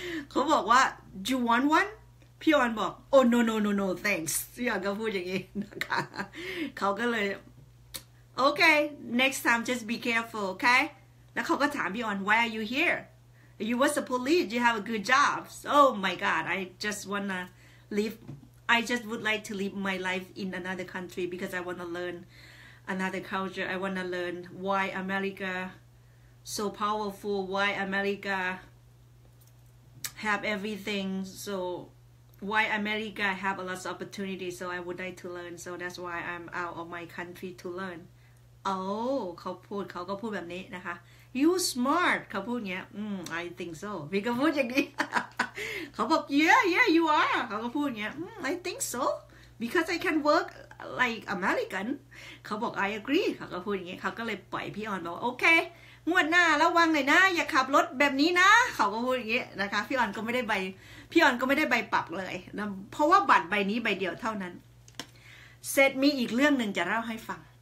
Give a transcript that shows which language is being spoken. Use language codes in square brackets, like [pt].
[th] เขาบอกว่า [en] you want one [th] พี่ออนบอก [en] oh no no no no thanks [th] พี่ออนก็พูดอย่างนี้นะคะเขาก็เลย [en] okay next time just be careful okay [th] แล้วเขาก็ถามพี่ออน [en] why are you hereYou was a police. You have a good job. Oh my God! I just wanna live. I just would like to live my life in another country because I wanna learn another culture. I wanna learn why America so powerful. Why America have everything. So why America have a lot of opportunity. So I would like to learn. So that's why I'm out of my country to learn. [th] Oh, เขาก็พูดแบบนี้นะคะ [en] You smart [th] เขาพูดเงี้ย [en] I think so [th] พี่ก็พูดอย่างนี้เขาบอก [en] yeah you are [th] เขาก็พูดเงี้ย [en] I think so because I can work like American [th] เขาบอก [en] I agree [th] เขาก็พูดอย่างเงี้ยเขาก็เลยปล่อยพี่ออนบอกโอเคงวดหน้าระวังหน่อยนะอย่าขับรถแบบนี้นะเขาก็พูดอย่างเงี้ยนะคะพี่ออนก็ไม่ได้ใบปรับเลยนะเพราะว่าบัตรใบนี้ใบเดียวเท่านั้นเซตมีอีกเรื่องนึงจะเล่าให้ฟัง